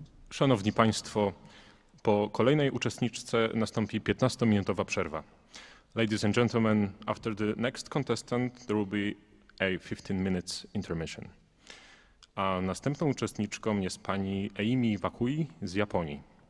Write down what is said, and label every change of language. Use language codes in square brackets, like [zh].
[pl] Szanowni Państwo, po kolejnej uczestniczce nastąpi 15-minutowa przerwa. [en] Ladies and gentlemen, after the next contestant, there will be a 15-minute intermission. [pl] A następną uczestniczką jest pani Amy Wakui z Japonii.